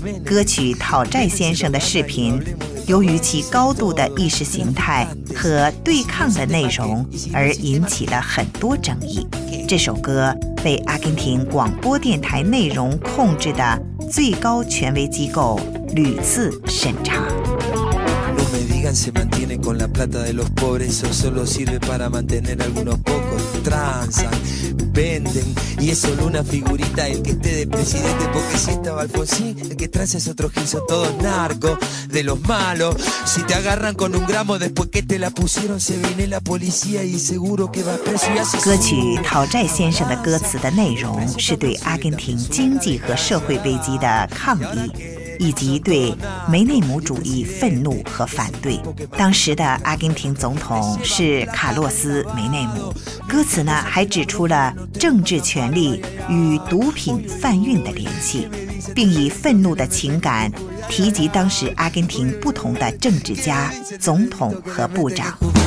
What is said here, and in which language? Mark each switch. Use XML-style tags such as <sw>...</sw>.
<zh>歌曲《讨债先生》的视频，由于其高度的意识形态和对抗的内容而引起了很多争议。这首歌被阿根廷广播电台内容控制的最高权威机构屡次审查。</zh> <es>Se mantiene con la plata de los pobres o solo sirve para mantener algunos pocos transan, venden y es solo una figurita el que esté de presidente porque si estaba Alfonsín el que transa es otro Gilson todos narcos de los malos si te agarran con un gramo después que te la pusieron se viene la policía y seguro que va preso y así</es> <zh>歌曲《讨债先生》的歌词的内容是对阿根廷经济和社会危机的抗议，以及对梅内姆主义愤怒和反对。当时的阿根廷总统是卡洛斯·梅内姆。歌词呢，还指出了政治权力与毒品贩运的联系，并以愤怒的情感提及当时阿根廷不同的政治家、总统和部长。</zh>